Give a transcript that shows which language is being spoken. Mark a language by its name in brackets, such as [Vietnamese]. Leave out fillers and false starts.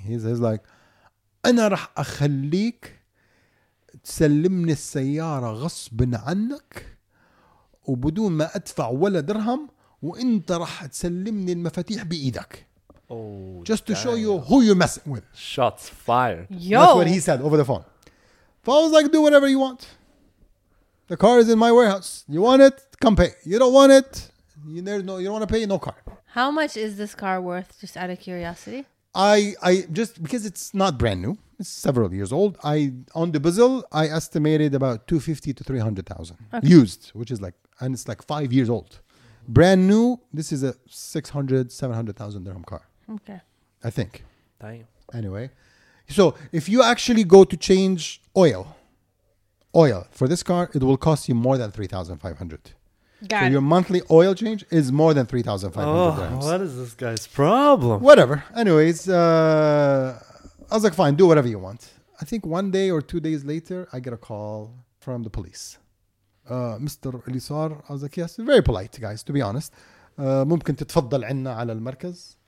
[English] He says like, [Arabic] أنا رح أخليك تسلمني السيارة غصب عنك وبدون ما أدفع ولا درهم وإنت رح تسلمني المفاتيح بإيدك. [English] Oh, just to show you who you're messing with. Shots fired. Yo. That's what he said over the phone. So I was like, do whatever you want. The car is in my warehouse. You want it? Come pay. You don't want it? You don't want to pay? No car. How much is this car worth? Just out of curiosity. I just because it's not brand new, it's several years old. I on the bezel, I estimated about 250 to 300,000 okay. used, which is like and it's like 5 years old. Brand new, this is a 600-700,000 dirham car. Okay, I think. Damn. Anyway, so if you actually go to change oil for this car, it will cost you more than 3,500. Got so it. Your monthly oil change is more than 3,500 grams. What is this guy's problem? Whatever. Anyways, I was like, fine, do whatever you want. I think one day or 2 days later, I get a call from the police. Mr. Elisar, I was like, yes, very polite, guys, to be honest. [Arabic] ممكن تتفضل عنا على المركز.